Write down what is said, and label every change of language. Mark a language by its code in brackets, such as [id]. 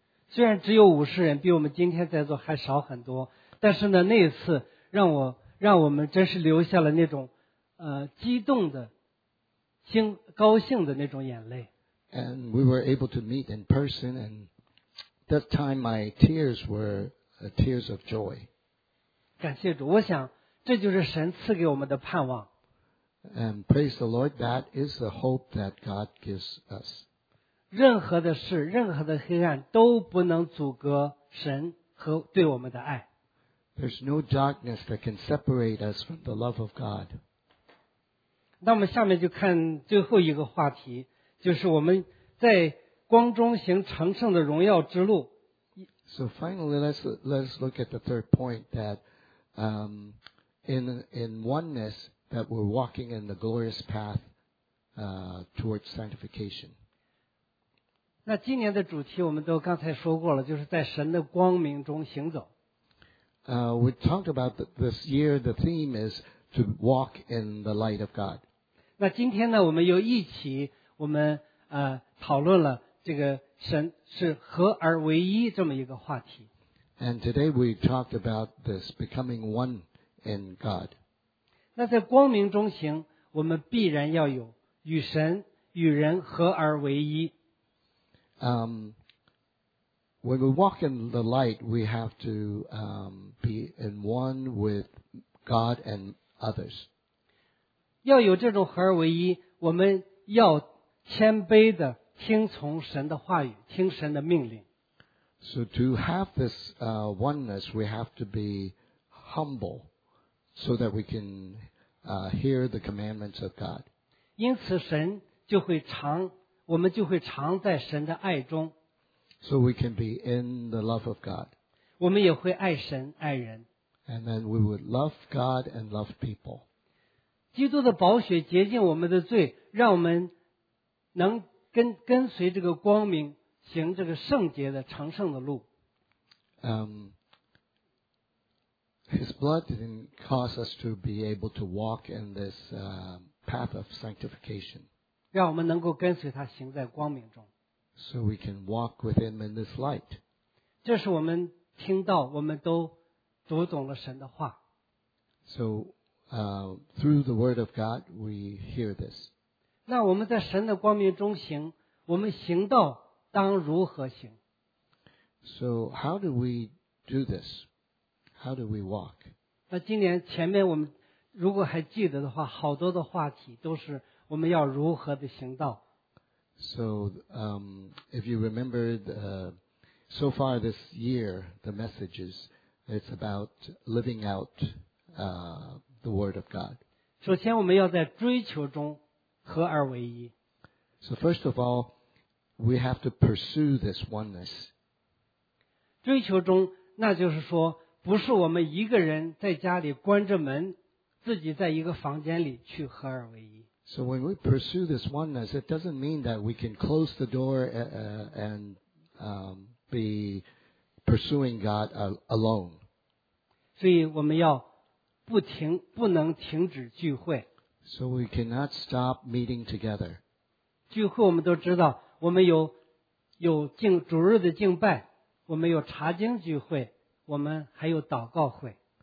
[zh] 虽然只有50人，比我们今天在座还少很多，但是呢，那一次让我们真是留下了那种激动的高兴的那种眼泪。 [en] And we were able to meet in person, and that time my tears were tears of joy. [zh] 感谢主，我想这就是神赐给我们的盼望。 [en] And praise the Lord, that is the hope that God gives us. [zh] 任何的事，任何的黑暗都不能阻隔神和对我们的爱。 [en] There's no darkness that can separate us from the love of God. [zh] 那我们下面就看最后一个话题，就是我们在光中行成圣的荣耀之路。 [en] So finally, let's look at the third point that, in oneness, that we're walking in the glorious path, towards sanctification. [zh] 那今年的主题我们都刚才说过了，就是在神的光明中行走。 [en] We talked about this year, the theme is to walk in the light of God. [zh] 那今天呢，我们又一起我们讨论了。这个神是合而为一这么一个话题。 [en] And today we talked about this becoming one in God. [zh] 那在光明中行，我们必然要有与神与人合而为一。 [en] When we walk in the light, we have to be in one with God and others. [zh] 要有这种合而为一，我们要谦卑的。听从神的话语，听神的命令。 [en] So to have this oneness, we have to be humble, so that we can hear the commandments of God. [zh] 因此，神就会常，我们就会常在神的爱中。 [en] So we can be in the love of God. [zh] 我们也会爱神爱人。 [en] And then we would love God and love people. [zh] 基督的宝血洁净我们的罪，让我们能。跟随这个光明，行这个圣洁的成圣的路。 [en] His blood didn't cause us to be able to walk in this path of sanctification. [zh] 让我们能够跟随他行在光明中。 [en] So we can walk with him in this light. [zh] 这是我们听到，我们都读懂了神的话。 [en] So through the word of God, we hear this. [zh] 那我们在神的光明中行，我们行道当如何行 [en] ？So how do we do this? How do we walk? [zh] 那今年前面我们如果还记得的话，好多的话题都是我们要如何的行道。 [en] So if you remember so far this year, the messages it's about living out the word of God. [zh] 首先我们要在追求中。合而为一。 [en] So first of all, we have to pursue this oneness. [zh] 追求中，那就是说，不是我们一个人在家里关着门，自己在一个房间里去合而为一。 [en] So when we pursue this oneness, it doesn't mean that we can close the door and be pursuing God alone. [zh] 所以我们要不停，不能停止聚会。 [en] So we cannot stop meeting together. [zh] 聚会我们都知道，我们有敬主日的敬拜，我们有查经聚会，我们还有祷告会。